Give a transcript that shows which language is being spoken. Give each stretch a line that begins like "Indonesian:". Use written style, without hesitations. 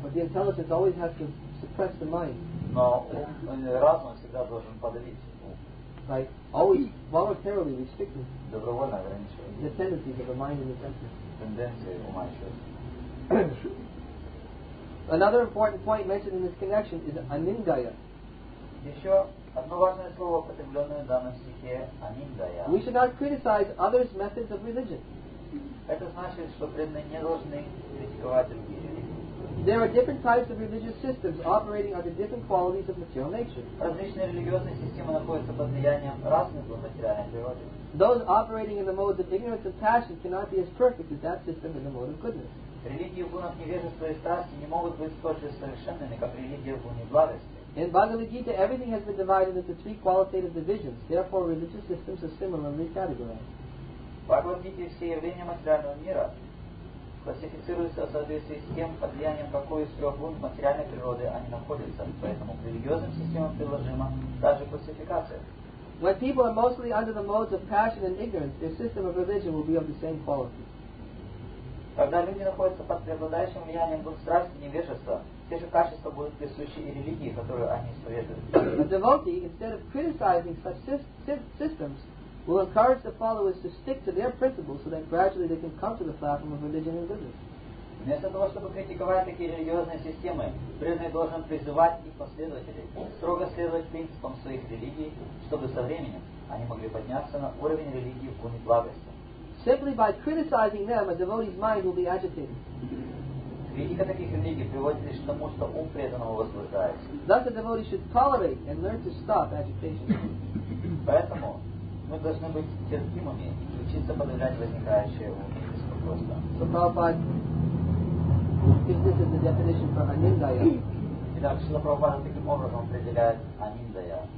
English: But the intelligence always has to suppress the mind.
Russian: Но разум всегда должен подавить ум.
English: Like, always voluntarily restricting.
Russian: Добровольно ограничивай.
English: The tendencies of the mind and the senses.
Russian: Тенденции ума и чувств.
English: Another important point mentioned in this connection is анингая.
Russian: Еще одно важное слово, употребленное в данном стихе, анингая.
English: We should not criticize others' methods of religion.
Russian: Это значит, что преданные не должны критиковать другие религии.
English: There are different types of religious systems operating under different qualities of material nature.
Russian: Различные религиозные системы находятся под влиянием разных по материальной природе.
English: Those operating in the modes of ignorance and passion cannot be as perfect as that system in the mode of goodness.
Russian: Религии в гунах невежества и страсти не могут быть столь же совершенными, как религия в гуне благости.
English: In Bhagavad Gita, everything has been divided into three qualitative divisions. Therefore, religious systems are similarly categorized.
Russian: Бхагавад-гите все явления материального мира классифицируются в соответствии с тем, под влиянием какой из трех гун материальной природы они находятся. Поэтому к религиозным системам приложима та же классификация.
English: When people are mostly under the modes of passion and ignorance, their system of religion will be of the same quality.
Russian: Когда люди находятся под преобладающим влиянием двух страстей и невежества, те же качества будут присущи и религии, которую они исповедуют.
English: A devotee, instead of criticizing such systems, will encourage the followers to stick to their principles so that gradually they can come to the platform of religion and goodness.
Russian: Вместо того, чтобы критиковать такие религиозные системы, преданный должен призывать их последователей строго следовать принципам своих религий, чтобы со временем они могли подняться на уровень религии в гуне благости.
English: Simply by criticizing them, a devotee's mind will be agitated.
Russian: Критика таких религий приводит лишь к тому, что ум преданного возбуждается.
English: Thus a devotee should tolerate and learn to stop agitation.
Russian: Поэтому мы должны быть терпимыми и учиться подавлять возникающее ум беспокойство.
English: So Prabhupada gives this as the definition for anindaya.
Russian: Итак, Шрила Прабхупада таким образом определяет анинда-я,